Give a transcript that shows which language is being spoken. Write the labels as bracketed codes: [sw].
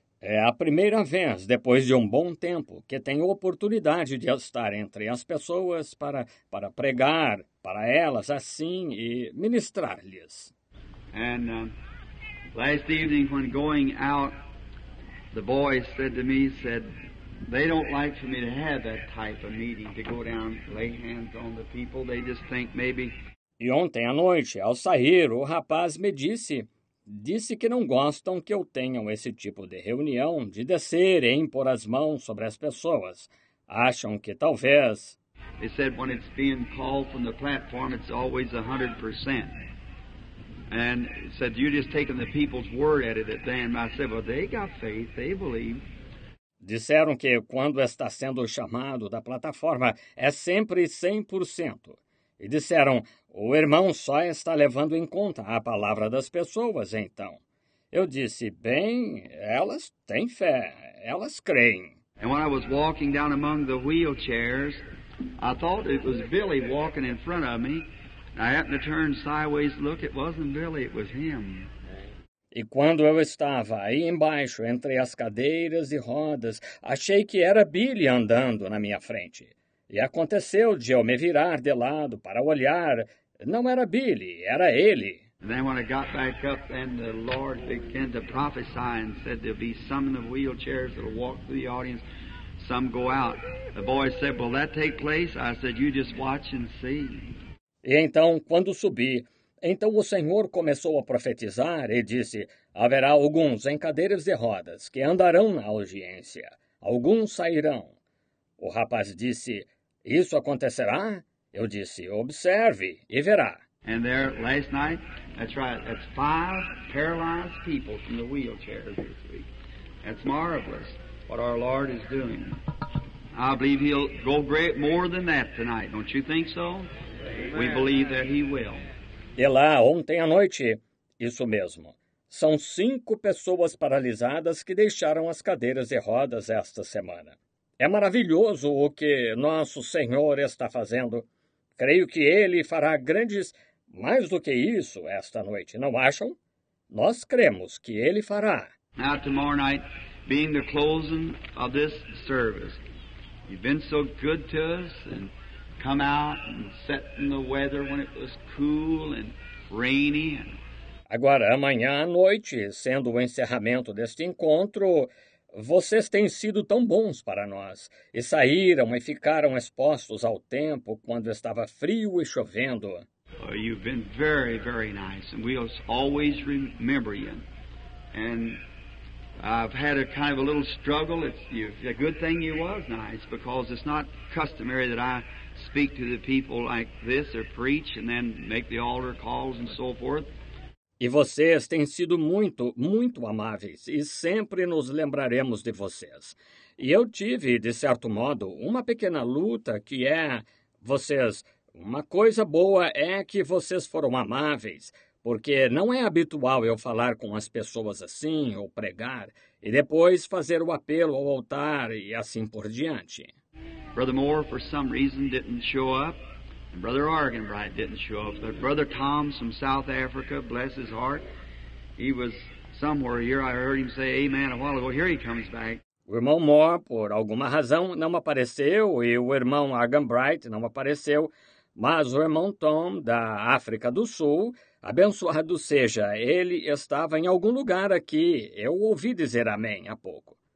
[pt] É a primeira vez, depois de um bom tempo, que tenho oportunidade de estar entre as pessoas para pregar para elas assim e ministrar-lhes. [en] And last evening when going out, the boys said to me, said they don't like for me to have that type of meeting, to go down lay hands on the people. They just think maybe. [pt] E ontem à noite, ao sair, o rapaz me disse. Disse que não gostam que eu tenha esse tipo de reunião, de descer e impor as mãos sobre as pessoas. Acham que talvez. [en] They said when it's being called from the platform, it's always 100%. And said you're just taking the people's word at it at them. I said, well, they got faith, they believe. [pt] Disseram que quando está sendo chamado da plataforma, é sempre 100%. E disseram, o irmão só está levando em conta a palavra das pessoas, então. Eu disse, bem, elas têm fé, elas creem. [en] And when I was walking down among the wheelchairs, I thought it was Billy walking in front of me. I happened to turn sideways, look, it wasn't Billy, it was him. [pt] E quando eu estava aí embaixo, entre as cadeiras e rodas, achei que era Billy andando na minha frente. E aconteceu de eu me virar de lado para olhar. Não era Billy, era ele. [en] And then when I got back up, then the Lord began to prophesy and said there'll be some in the wheelchairs that'll walk through the audience, some go out. The boy said, will that take place? I said, you just watch and see. [pt] E então, quando subi, então o Senhor começou a profetizar e disse, haverá alguns em cadeiras de rodas que andarão na audiência. Alguns sairão. O rapaz disse, isso acontecerá? Eu disse, observe e verá. [en] And there, last night, that's right, that's five paralyzed people from the wheelchairs this week. That's marvelous what our Lord is doing. I believe he'll go great more than that tonight, don't you think so? Amen. We believe that he will. [pt] E lá, ontem à noite, isso mesmo. São cinco pessoas paralisadas que deixaram as cadeiras de rodas esta semana. É maravilhoso o que nosso Senhor está fazendo. Creio que Ele fará grandes, mais do que isso, esta noite, não acham? Nós cremos que Ele fará. [en] Now, tomorrow night, being the closing of this service, you've been so good to us, and come out and set in the weather when it was cool and rainy. And... [pt] Agora, amanhã à noite, sendo o encerramento deste encontro, vocês têm sido tão bons para nós, e saíram e ficaram expostos ao tempo quando estava frio e chovendo. [en] You've been very, very nice, and we'll always remember you. And I've had a kind of a little struggle. It's a good thing you was nice, because it's not customary that I speak to the people like this or preach and then make the altar calls and so forth. [pt] E vocês têm sido muito, muito amáveis e sempre nos lembraremos de vocês. E eu tive, de certo modo, uma pequena luta que é, vocês, uma coisa boa é que vocês foram amáveis, porque não é habitual eu falar com as pessoas assim ou pregar, e depois fazer o apelo ao altar e assim por diante. [en] Brother Moore, for some reason, didn't show up. And Brother Argenbright didn't show up. But Brother Tom from South Africa, bless his heart, he was somewhere here. I heard him say amen a while ago. Here he comes back. [pt] O irmão Moore, por alguma razão, não apareceu, e o irmão Argenbright não apareceu, mas o irmão Tom, da África do Sul, abençoado seja, ele estava em algum lugar aqui. Eu ouvi dizer amém há pouco.